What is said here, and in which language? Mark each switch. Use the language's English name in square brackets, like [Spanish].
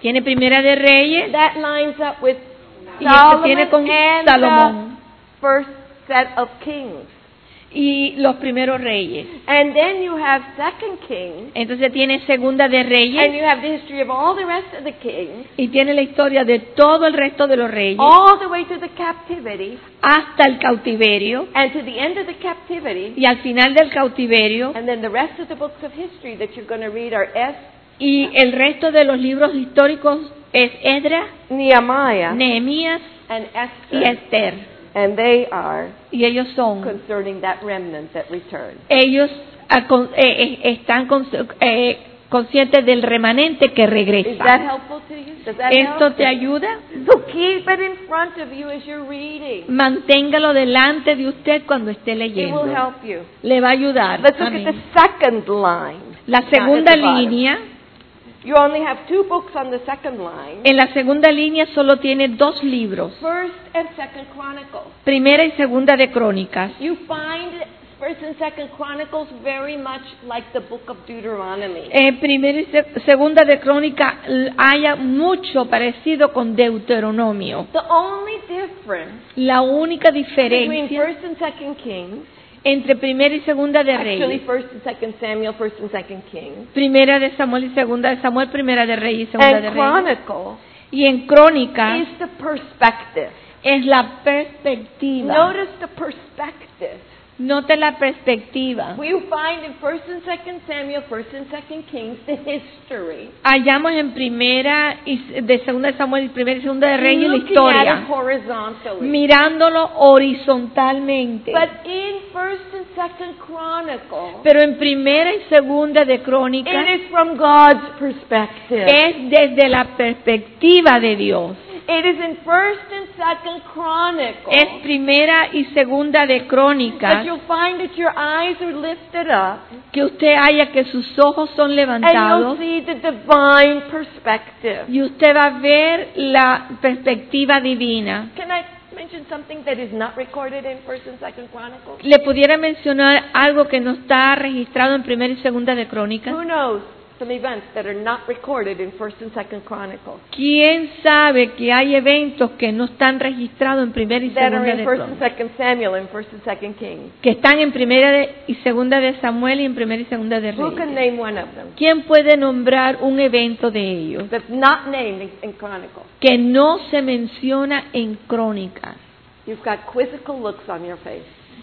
[Spanish] Tiene primera de Reyes. [English] That lines up with. [Spanish] Y esto tiene con Salomón. [English] First set of kings. [Spanish] Y los primeros reyes. [English] And then you have 2 Kings. [Spanish] Entonces tiene segunda de reyes. [English] And you have the history of all the rest of the kings. [Spanish] Y tiene la historia de todo el resto de los reyes. [English] All the way to the captivity. [Spanish] Hasta el cautiverio. [English] And to the end of the captivity. [Spanish] Y al final del cautiverio. [English] And then the rest of the books of history that you're going to read are [Spanish] Y el resto de los libros históricos es Esdras, Nehemías, Nehemías [English] and Esther. [Spanish] Y Esther. [English] And they are [Spanish] y ellos son, [English] concerning that remnant that returns. [Spanish] Ellos están conscientes del remanente que regresa. [English] Is that helpful to you? Does that [Spanish] ¿Esto [English] help [Spanish] te [English] you? [Spanish] Ayuda? [English] So keep it in front of you as you're reading. [Spanish] Manténgalo delante de usted cuando esté leyendo. [English] It will help you. [Spanish] Le va a ayudar. [English] Let's look at the second line. [Spanish] La segunda línea. [English] You only have 2 books on the second line. [Spanish] En la segunda línea solo tiene 2 libros. [English] First and Second Chronicles. [Spanish] Primera y segunda de Crónicas. [English] You find First and Second Chronicles very much like the book of Deuteronomy. [Spanish] En primera y segunda de Crónicas hay mucho parecido con Deuteronomio. [English] The only difference. [Spanish] La única diferencia. [English] Between First and Second Kings. [Spanish] Entre primera y segunda de Reyes. [English] Actually, First and Second Samuel, First and Second Kings. [Spanish] Primera de Samuel y segunda de Samuel, primera de Reyes y segunda [English] and [Spanish] de Reyes. [English] Chronicle. [Spanish] Y en Crónica. [English] Is the perspective. [Spanish] Es la perspectiva. [English] Notice the perspective. [Spanish] Note la perspectiva. [English] We find in First and Second Samuel, First and Second Kings, the history. [Spanish] Hallamos en primera y de segunda de Samuel, primera y segunda de Reyes la historia. [English] Looking at it horizontally. [Spanish] Mirándolo horizontalmente. [English] But in First and Second Chronicles. [Spanish] Pero en primera y segunda de Crónicas. [English] It is from God's perspective. [Spanish] Es desde la perspectiva de Dios. [English] It is in First and Second Chronicles. [Spanish] Es primera y segunda de Crónicas. [English] That you'll find that your eyes are lifted up. [Spanish] Que usted haya que sus ojos son levantados. [English] And you'll see the divine perspective. [Spanish] Y usted va a ver la perspectiva divina. [English] Can I mention something that is not recorded in First and Second Chronicles? [Spanish] ¿Le pudiera mencionar algo que no está registrado en primera y segunda de Crónicas? [English] Who knows? Some events that are not recorded in First and Second Chronicles. [Spanish] ¿Quién sabe que hay eventos que no están registrados en primera y segunda de Crónicas? [English] That are in First and Second Samuel and First and Second Kings. [Spanish] Que están en primera y segunda de Samuel y en primera y segunda de Reyes. [English] Who can name one of them? [Spanish] ¿Quién puede nombrar un evento de ellos? [English] That's not named in Chronicles. [Spanish] Que no se menciona en Crónicas. [English] You've got quizzical looks on your face.